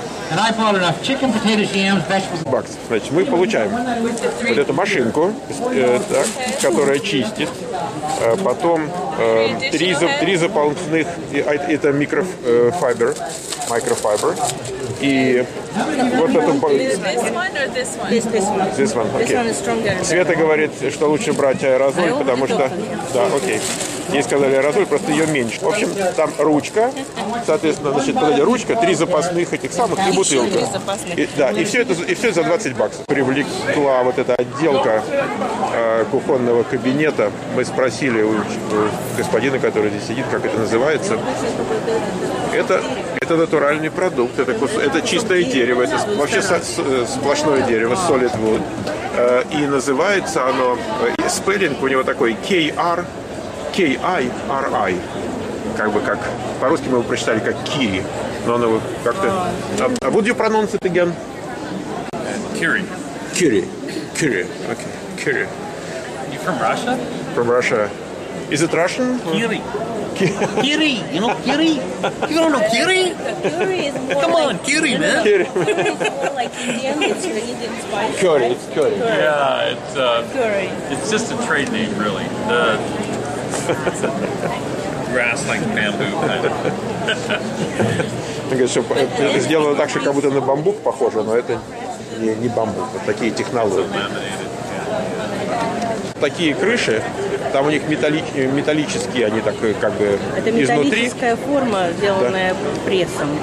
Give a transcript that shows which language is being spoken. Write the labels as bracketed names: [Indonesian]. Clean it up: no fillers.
[English] And I bought enough chicken, potatoes, yams, vegetables. [Russian] Бакс. Значит, мы получаем вот эту машинку, так, которая чистит. Потом три заполненных, это микрофайбер. Microfiber. И вот это... [English] This one. Okay. This one is stronger. [Russian] Света говорит, что лучше брать аэрозоль, потому что... Да, окей. Ей сказали аэрозоль, просто ее меньше. В общем, там ручка, соответственно, значит, подойдет ручка, три запасных этих самых и бутылка. И все это за $20. Привлекла вот эта отделка кухонного кабинета. Мы спросили у господина, который здесь сидит, как это называется. Это натуральный продукт, это чистое дерево, это вообще сплошное дерево, solid wood. И называется оно, спеллинг у него такой, K-I-R-I, как бы как, по-русски мы его прочитали как Кири, но оно как-то... [English] Would you pronounce it again? [Russian] Кири. Кири. Кири. Окей. Кири. [English] You from Russia? From Russia. Is it Russian? [Russian] Кири. [English] Kiri, you know Kiri? You don't know Kiri? Come on, Kiri, man. It's more like Indian, it's really Indian spice. Curry, it's curry. Yeah, it's curry. It's just a trade name, really. The grass like bamboo kind of. [Russian] Ты говоришь, что сделано так, что как будто на бамбук похоже, но это не бамбук, а такие технологии. Такие крыши, Там у них металлические, они так как бы это изнутри. Это металлическая форма, сделанная прессом.